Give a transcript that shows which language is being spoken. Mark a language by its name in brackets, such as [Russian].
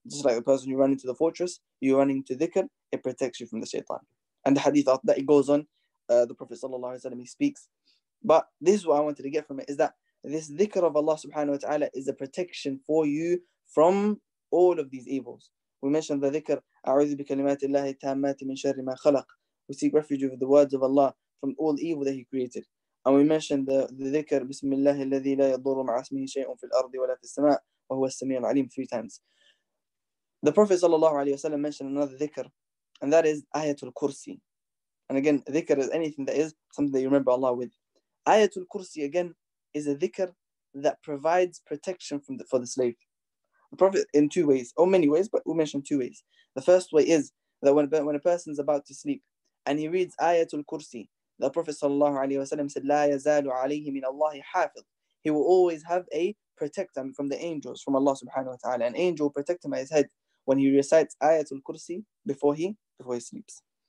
[English] Just like the person you run into the fortress, you run into dhikr, it protects you from the shaitan. And the hadith that it goes on, the Prophet sallallahu alaihi wasallam, he speaks. But this is what I wanted to get from it, is that this dhikr of Allah subhanahu wa ta'ala is a protection for you from all of these evils. We mentioned the dhikr, [Arabic] أعوذ بكلمات الله التامات من شر ما خلق. [English] We seek refuge with the words of Allah from all evil that he created. And we mentioned the dhikr, Bismillah [Arabic] الذي لا يضر مع اسمه شيء في الأرض ولا في السماء وهو السميع العليم, [English] three times. The Prophet sallallahu alayhi wa sallam mentioned another dhikr, and that is Ayatul Kursi. And again, dhikr is anything that is something that you remember Allah with. Ayatul Kursi again is a dhikr that provides protection for the slave. The Prophet in two ways, or many ways, but we mentioned two ways. The first way is that when a person is about to sleep and he reads Ayatul Kursi, the Prophet sallallahu alayhi wa sallam said, [Arabic] لَا يَزَالُ عَلَيْهِ مِنَ اللَّهِ حَافِظٌ, [English] he will always have a protector from the angels, from Allah subhanahu wa ta'ala. An angel will protect him at his head when he recites Ayatul Kursi before he sleeps.